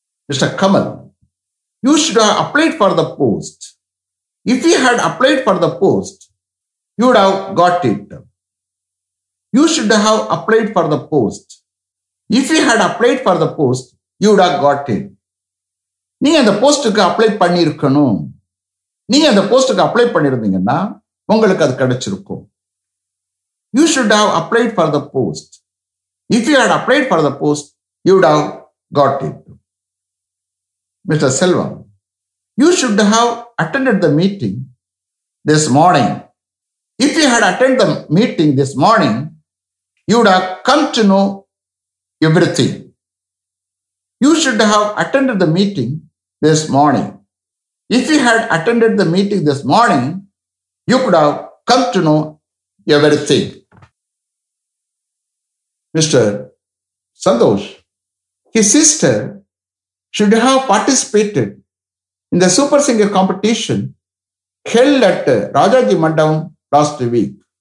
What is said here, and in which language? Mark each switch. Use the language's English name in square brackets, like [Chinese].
[English] Mr. Kamal, you should have applied for the post. If you had applied for the post, you would have got it. You should have applied for the post. If you had applied for the post, you would have got it. [Tamil] நீங்க அந்த போஸ்டுக்கு apply பண்ணியிருக்கணும். நீங்க அந்த போஸ்டுக்கு apply பண்ணியிருந்தீங்கன்னா உங்களுக்கு அது கிடைச்சிருக்கும். [English] You should have applied for the post. If you had applied for the post, you have got it. Mister Selvam, you should have attended the meeting this morning. If you had attend the meeting this morning, you have come to know every thing. You should have attended the meeting this morning. If you had attended the meeting this morning, you could have come to know everything. Mr. Santosh, his sister should have participated in the Super Singer competition held at Rajaji Mandam last week.